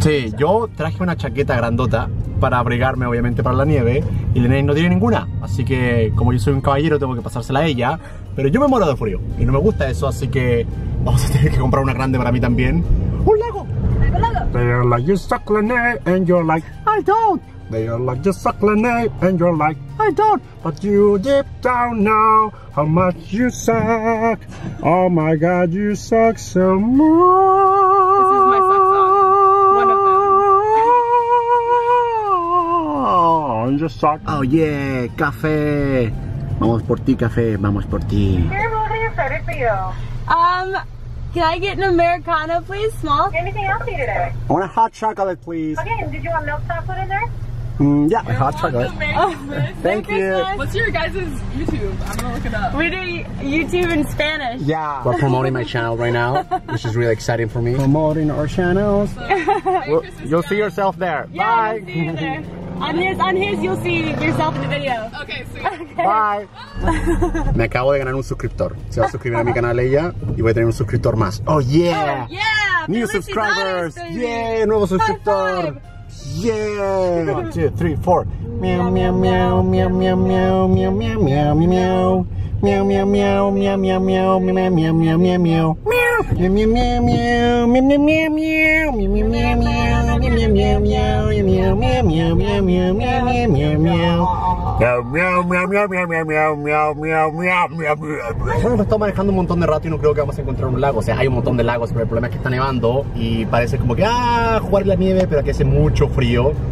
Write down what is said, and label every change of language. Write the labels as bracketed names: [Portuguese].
[Spanish] sí, yo traje una chaqueta grandota para abrigarme, obviamente, para la nieve, y Lene no tiene ninguna, así que como yo soy un caballero, tengo que pasársela a ella, pero yo me muero de frío y no me gusta eso, así que vamos a tener que comprar una grande para mí también. ¡Un lago! [English] They are like, you suck, Lene, and you're like, I don't. They are like, you suck, Lene, and you're like, I don't. But you deep down know how much you suck. Oh my God, you suck so much. This is my suck song. One of them. Oh, you suck. Oh yeah, café. [Spanish] Vamos por ti, café. Vamos por ti. [English] Here, what are you excited for you? Can I get an Americano, please, small? Anything else for you today? I want a hot chocolate, please. Okay, and did you want milk chocolate in there? Yeah, my hot chocolate. Merry Christmas. Thank you. What's your guys' YouTube? I'm gonna look it up. We do YouTube in Spanish. Yeah. We're promoting my channel right now, which is really exciting for me. Promoting our channels. So, well, you'll see yourself there. Yeah, bye. I'll see you there. On his, you'll see yourself in the video. Okay, sweet. Okay. [Spanish] Bye. Me acabo de ganar un suscriptor. Se va a suscribir a mi canal ella y voy a tener un suscriptor más. [English] Oh, yeah. Oh, yeah. New subscribers. Yeah, [Spanish] nuevo suscriptor. [English] Five. Yeah. [Spanish] Bueno, estamos manejando un montón de rato y no creo que vamos a encontrar un lago. O sea, hay un montón de lagos, pero el problema es que está nevando y parece como que jugar en la nieve, pero que hace mucho frío.